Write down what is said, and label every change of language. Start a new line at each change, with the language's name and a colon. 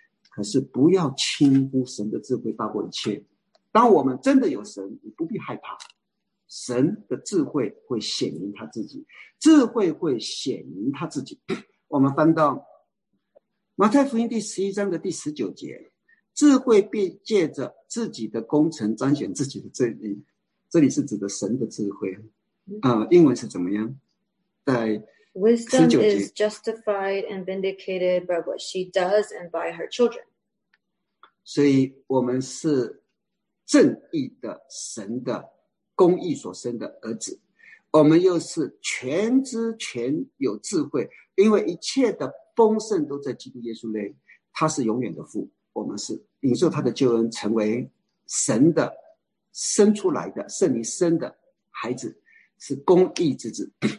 Chinese: 可是不要轻忽神的智慧大过一切。当我们真的有神，你不必害怕，神的智慧会显明他自己，智慧会显明他自己。我们翻到马太福音第十一章的第十九节，智慧必借着自己的功臣彰显自己的正义。这里是指的神的智慧，英文是怎么样？在
English: Wisdom is justified and vindicated by what she does and by her children.
Chinese: 所以我们是正义的神的公义所生的儿子。我们又是全知全有智慧，因为一切的丰盛都在基督耶稣内，他是永远的父，我们是领受他的救恩，成为神的生出来的圣灵生的孩子，是公义之子。